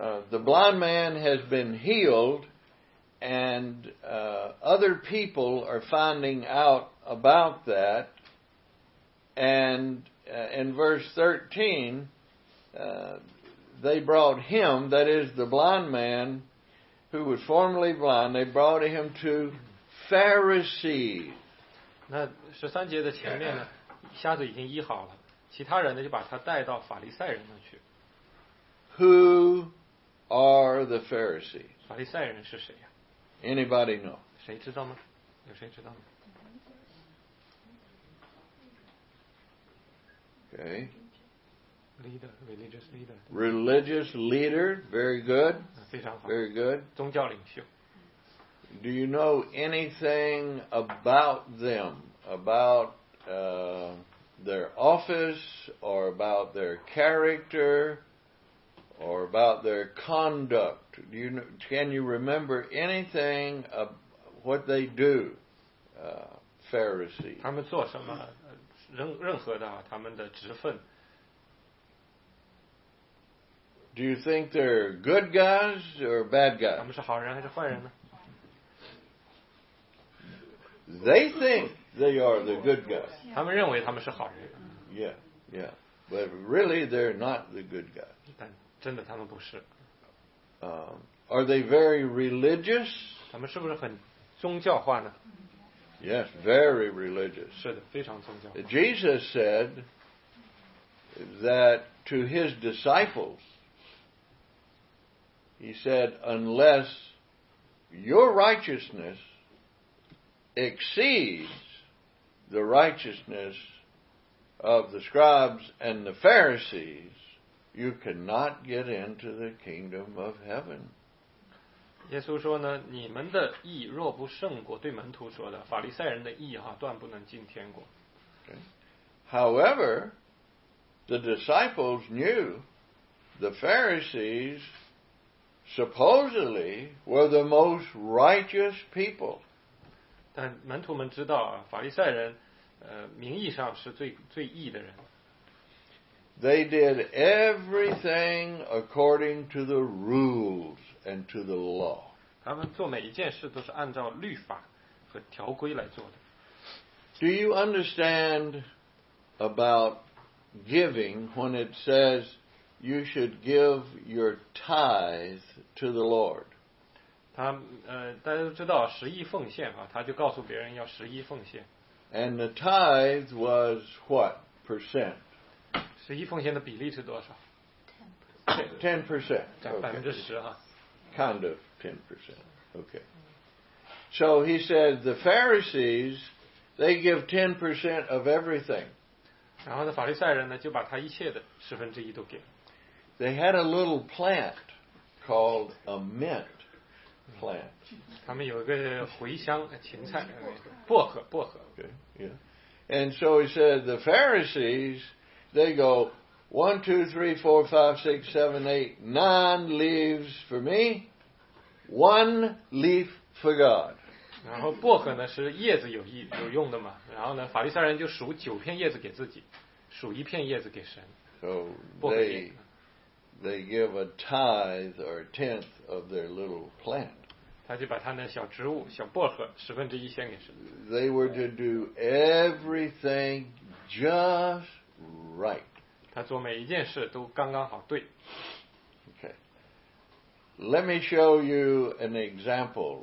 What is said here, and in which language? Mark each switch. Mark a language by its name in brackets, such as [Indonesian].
[English] The blind man has been healed, and other people are finding out about that. And in verse 13, they brought him, that is the blind man who was formerly blind, they brought him to Pharisees. [Chinese] 那十三节的前面呢，瞎子已经医好了，其他人呢就把他带到法利赛人那去。 [English] Who... Are the Pharisees? [Chinese] 法利赛人是谁呀？ [English] Anybody know? [Chinese] 谁知道吗？有谁知道吗？ [English] Okay. Leader, religious leader. Religious leader, very good. [Chinese] 非常好。 [English] Very good. [Chinese] 宗教领袖。 [English] Do you know anything about them? About their office or about their character? Or about their conduct. Can you remember anything of what they do, Pharisees? [Chinese] 他们做什么？任何的他们的职分。 [English] Do you think they're good guys or bad guys? [Chinese] 他们是好人还是坏人呢？ [English] They think they are the good guys. [Chinese] 他们认为他们是好人。 [English] Yeah, yeah. But really, they're not the good guys. [Chinese] 但真的他们不是。 [English] Are they very religious? [Chinese] 他们是不是很宗教化呢？ [English] Yes, very religious. [Chinese] 是的，非常宗教化。 [English] Jesus said that to his disciples, he said, unless your righteousness exceeds the righteousness of the scribes and the Pharisees, you cannot get into the kingdom of heaven. [Chinese] 耶稣说呢，你们的义若不胜过，对门徒说的，法利赛人的义哈，断不能进天国。 [English] Okay. However, the disciples knew the Pharisees supposedly were the most righteous people. [Chinese] 但门徒们知道啊，法利赛人，名义上是最义的人。 [English] They did everything according to the rules and to the law. [Chinese] 他们做每一件事都是按照律法和条规来做的。 [English] Do you understand about giving when it says you should give your tithe to the Lord? [Chinese] 他大家都知道十一奉献啊，他就告诉别人要十一奉献。 [English] And the tithe was what percent? [Chinese] 十一奉献的比例是多少？ [English] Ten percent. [Chinese] 百分之十啊。 [English] Kind of 10%. Okay. So he said the Pharisees, they give 10% of everything. [Chinese] 然后呢，法利赛人呢就把他一切的十分之一都给。 [English] They had a little plant called a mint plant. [Chinese] 他们有一个茴香芹菜，薄荷。 [English] Okay. Yeah. And so he said the Pharisees, they go, 1, 2, 3, 4, 5, 6, 7, 8, 9 leaves for me, 1 leaf for God. [Chinese] 然后薄荷呢是叶子有用的嘛，然后呢法利赛人就数九片叶子给自己，数一片叶子给神。 [English] So they give a tithe or a tenth of their little plant. [Chinese] 他就把他那小植物小薄荷十分之一献给神。 [English] They were to do everything just right. [Chinese] 他做每一件事都刚刚好对。 [English] Okay. Let me show you an example.